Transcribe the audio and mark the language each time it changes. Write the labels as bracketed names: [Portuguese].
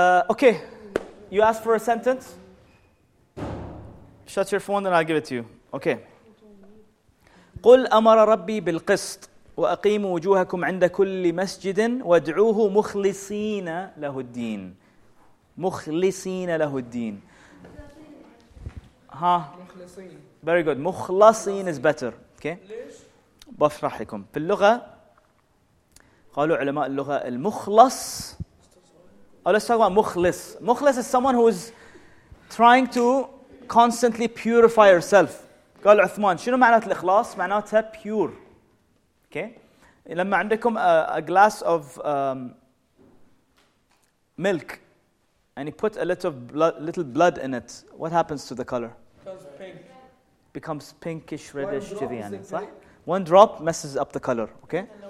[English] Okay, you ask for a sentence, shut your phone and I'll give it to you. Okay. [Arabic] قل أمر ربي بالقسط وأقيموا وجوهكم عند كل مسجد وادعوه مخلصين له الدين. مخلصين له الدين. Huh. مخلصين. [English] Very good. مخلصين is better. Okay. [Arabic] ليش؟ بشرح لكم. في اللغة قالوا علماء اللغة المخلص. [English] Oh, let's talk about مخلص. مخلص is someone who is trying to constantly purify herself. [Arabic] قال عثمان شنو معنى الإخلاص؟ معناتها pure. [English] Okay. لما عندكم a glass of milk and you put a little blood in it, what happens to the color? Becomes pinkish, reddish to the end, right? One drop messes up the color, okay?